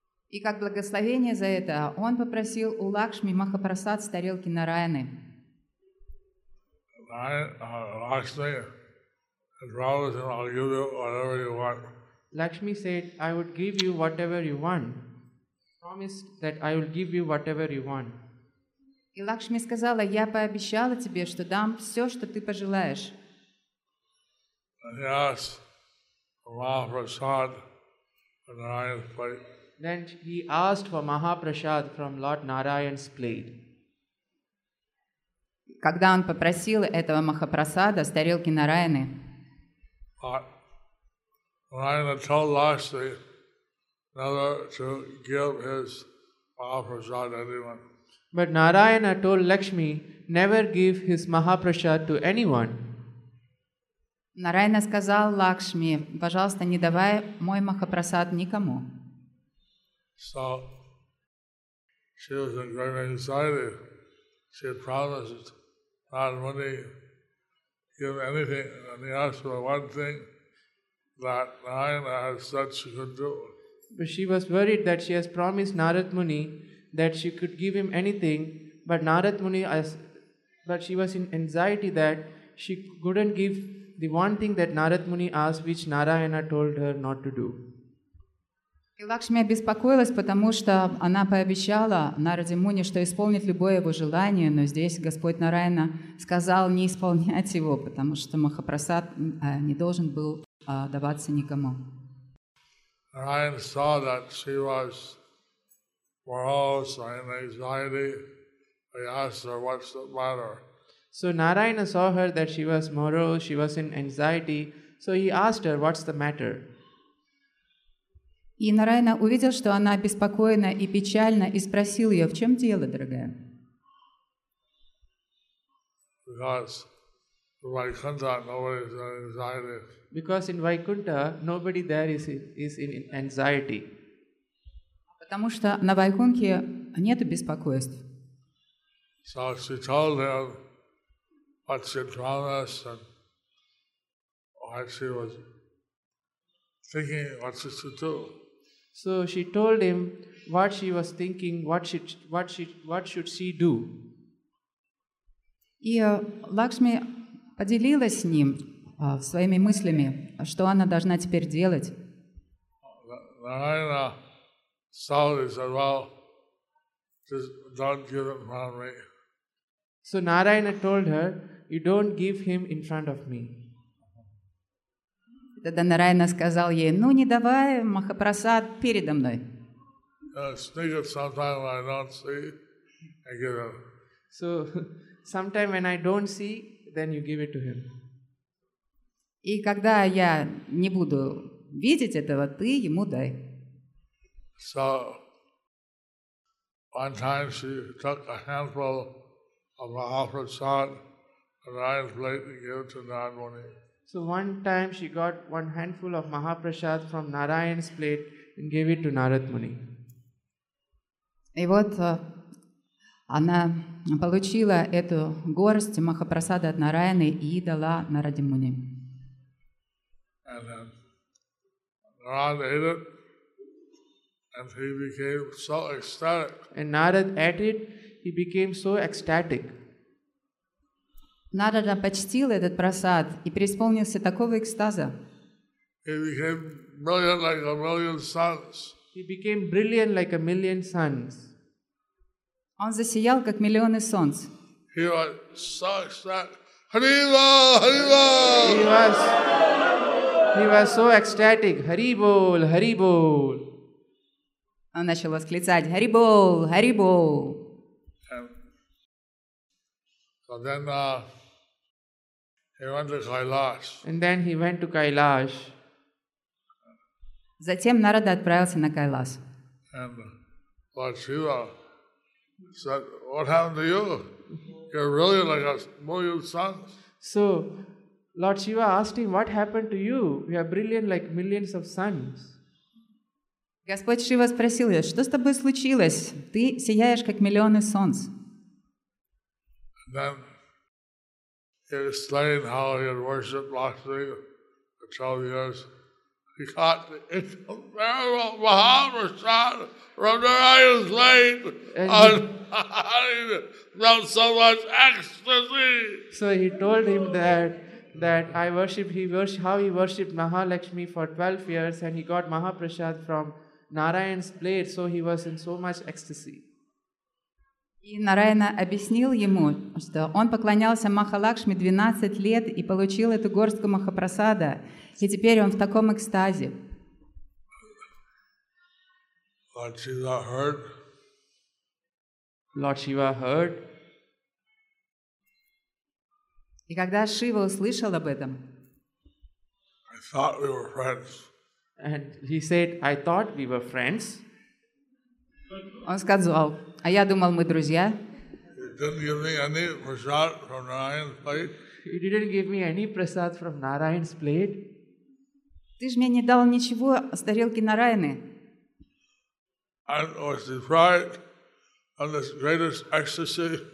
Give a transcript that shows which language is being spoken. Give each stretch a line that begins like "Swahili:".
Russian: И как благословение за это, он попросил у Лакшми Махапрасад с тарелки Нараяны.
English: Лакшми, I promise I'll give you whatever you want. Lakshmi said, I would give you whatever you want. Promised that I will give you whatever you want.
Russian: И Лакшми сказала, я пообещала тебе, что дам все, что ты пожелаешь.
English: And he asked for Mahaprasad, and I asked for Then he asked for Mahaprasad from Lord Narayan's plate.
Russian: Когда он попросил этого Махапрасада с тарелки Нараяны.
English: Narayana told Lakshmi never to give his Mahaprasad to anyone. But Narayana told Lakshmi never give his Mahaprasad to anyone.
Russian: Narayana сказал Лакшми, пожалуйста, не давай мой Махапрасад никому.
English: So she was in great anxiety. She had promised Narad Muni give anything, and he asked for one thing that Narayana had said she could do. But she was worried that she has promised Narad Muni that she could give him anything, but Narad Muni but she was in anxiety that she couldn't give the one thing that Narad Muni asked, which Narayana told her not to do.
Russian: И Лакшми обеспокоилась, потому что она пообещала Нараде Муни, что исполнит любое его желание, но здесь Господь Нараяна сказал не исполнять его, потому что Махапрасад не должен был даваться никому.
English: Narayana saw that she was morose or in anxiety. He asked her, what's the matter? So Narayana saw her that she was morose, she was in anxiety. So he asked her, what's the matter?
Russian: И Нараяна увидел, что она обеспокоена и печальна, и спросил ее, в чем дело, дорогая?
English: Because in Vaikuntha, nobody is in anxiety. Because in Vaikuntha, nobody there is in anxiety.
Russian: Потому что на Вайкунке нету беспокойств.
English: So she told him what she promised and what she was thinking what she should do. So she told him what she was thinking, what should she do.
Russian: И Лакшми поделилась с ним своими мыслями, что она должна теперь делать.
English: Narayana saw this and well, just don't give it from me. So Narayana told her, you don't give him in front of me.
Russian: Тогда Нараяна сказал ей, ну не давай Махапрасад передо мной.
English: Sneak it sometime when I don't see, I give it. So, sometime when I don't see, then you give it to him.
Russian: И когда я не буду видеть этого, ты ему дай.
English: So, one time she took a handful of Mahaprasad and Narayana's plate to give to Narad Muni. So one time she got one handful of Mahaprasad from Narayana's plate and gave it to Narad Muni.
Russian: И вот она получила эту горсть Махапрасада от Нараяны и дала Нараде Муни.
English: And then Narad ate it and he became so ecstatic. And Narad ate it, he became so ecstatic.
Russian: Нарада почтил этот просад и преисполнился такого экстаза.
English: He became brilliant like a million suns. He became brilliant like a million suns.
Russian: Он засиял, как миллионы солнц.
English: He was so ecstatic. Hariva! Hariva! He was so ecstatic. Haribol! Haribol!
Russian: Он начал восклицать. Haribol! Haribol!
English: So then, he went to Kailash. And then he went to Kailash.
Russian: Затем Нарада отправился на Кайлас.
English: And Lord Shiva said, "What happened to you? You're really like a million suns." So Lord Shiva asked him, "What happened to you? You are brilliant like millions of suns."
Russian: Господь Шива спросил его, что с тобой случилось? Ты сияешь как миллионы солнц.
English: And then he explained how he had worshipped Lakshmi for 12 years. He got the incomparable Mahaprasad from Narayana's plate and he felt so much ecstasy. So he told him how he worshipped Mahalakshmi for 12 years and he got Mahaprasad from Narayana's plate, so he was in so much ecstasy.
Russian: И Нараяна объяснил ему, что он поклонялся Махалакшми 12 лет и получил эту горстку Махапрасада, и теперь он в таком экстазе.
English: Lord Shiva heard. Lord Shiva heard.
Russian: И когда Шива услышал об этом,
English: I thought we were friends. And he said, I thought we were friends.
Russian: Он сказал, а я думал, мы друзья.
English: He didn't give me any prasad from Narayan's plate. He didn't give me any prasad from Narayan's plate.
Russian: Ты ж мне не дал ничего с тарелки Нараяны.
English: And was deprived of this greatest ecstasy.